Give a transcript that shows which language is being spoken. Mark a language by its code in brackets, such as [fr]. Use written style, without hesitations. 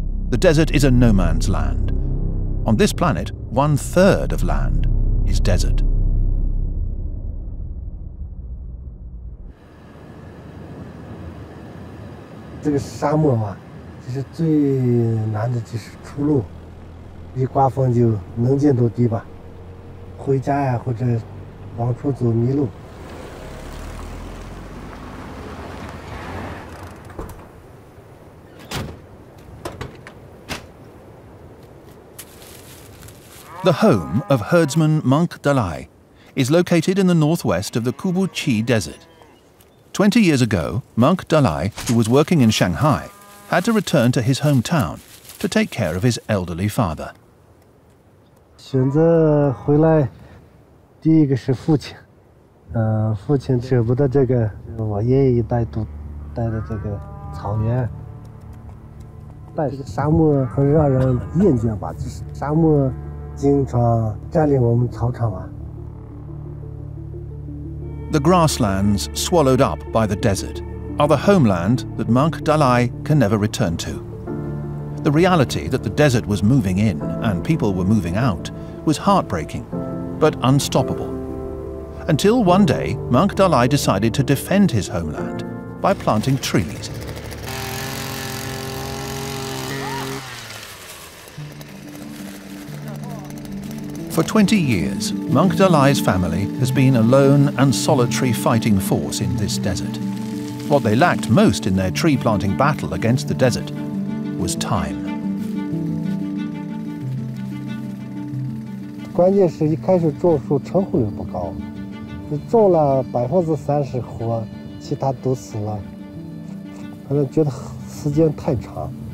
[en] The desert is a no man's land. On this planet, one third of land is desert. This desert is the most difficult way to go. [zh] 一刮风就能见度低吧，回家呀或者往出走迷路。 [en] The home of herdsman Monk Dalai is located in the northwest of the Kubu Chi Desert. 20 years ago, Monk Dalai, who was working in Shanghai, had to return to his hometown to take care of his elderly father. [zh] 选择回来，第一个是父亲，父亲舍不得这个我爷爷一代都待的这个草原，但是沙漠很让人厌倦吧，就是沙漠经常占领我们草场啊。 [en] The grasslands swallowed up by the desert are the homeland that Monk Dalai can never return to. The reality that the desert was moving in and people were moving out was heartbreaking, but unstoppable. Until one day, Monk Dalai decided to defend his homeland by planting trees. For 20 years, Monk Dalai's family has been a lone and solitary fighting force in this desert. What they lacked most in their tree planting battle against the desert was time. [zh] 关键是一开始种树成功率不高，你种了30%活，其他都死了，反正觉得时间太长。